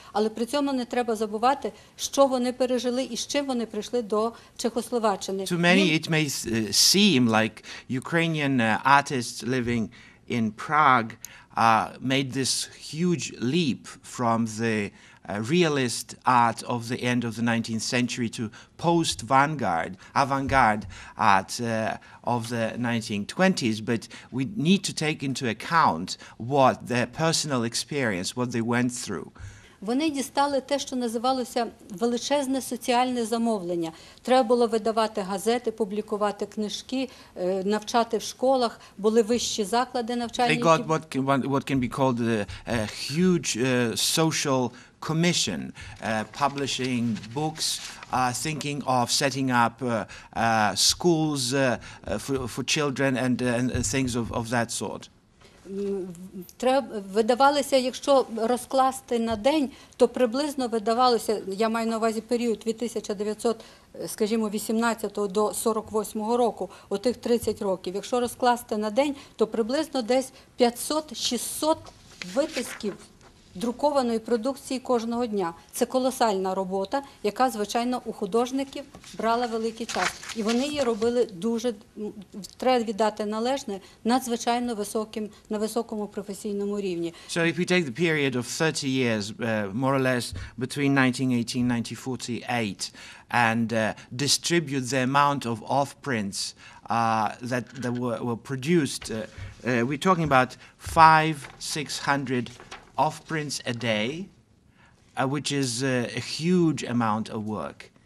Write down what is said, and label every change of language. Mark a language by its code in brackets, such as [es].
[uk] Але при цьому не треба забувати, що вони пережили і з чим вони прийшли до Чехословаччини. [en] To many it may seem like Ukrainian artists living in Prague made this huge leap from the realist art of the end of the 19th century to post-vanguard, avant-garde art of the 1920s, but we need to take into account what their personal experience, what they went through. [uk] Вони дістали те, що називалося величезне соціальне замовлення. Треба було видавати газети, публікувати книжки, навчати в школах, були вищі заклади навчальні. [en] They got what can be called a huge social commission, publishing books, thinking of setting up schools for children and things of that sort. [uk] Видавалося, якщо розкласти на день, то приблизно видавалося, я маю на увазі період від 1918 до 48-го року, отих 30 років. Якщо розкласти на день, то приблизно десь 500-600 витисків друкованої продукції кожного дня. Це колосальна робота, яка, звичайно, у художників брала великий час. І вони її робили дуже, треба віддати належне, надзвичайно високим, на високому професійному рівні. [en] So if you take the period of 30 years, more or less, between 1918-1948, and distribute the amount of off-prints that were produced, we're talking about 500-600 off-prints a day, which is a huge amount of work.